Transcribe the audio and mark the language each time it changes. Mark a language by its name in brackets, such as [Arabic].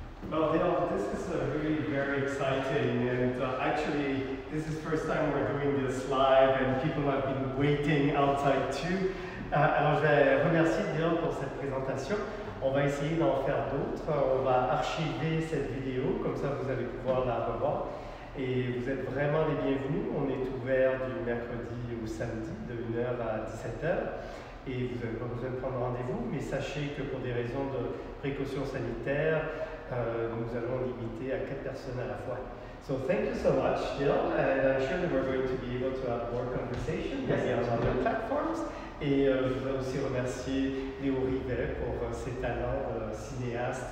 [English] Well, you know, this is a really very exciting, and actually, this is the first time we're doing this live, and people have been waiting outside too. [French] Alors, je vais remercier Dil pour cette présentation. On va essayer d'en faire d'autres. On va archiver cette vidéo, comme ça vous allez pouvoir la revoir. Et vous êtes vraiment les bienvenus. On est ouvert du mercredi au samedi, de 1h à 17h. Et vous n'avez pas besoin de prendre rendez-vous, mais sachez que pour des raisons de précaution sanitaire, nous allons limiter à 4 personnes à la fois. [English] So thank you so much, Dil, and I'm sure that we're going to be able to have more conversations yes, on other platforms. [French] Et je voudrais aussi remercier Léo Rivet pour ses talents de cinéaste.